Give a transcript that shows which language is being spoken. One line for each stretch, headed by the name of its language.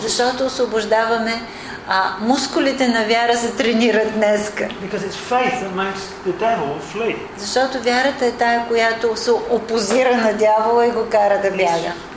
Bulgarian: Защото освобождаваме мускулите на вяра се тренират днеска.
English: Because it's faith that makes the devil flee.
Bulgarian: Защото вярата е тая, която се опозира на дявола и го кара да бяга.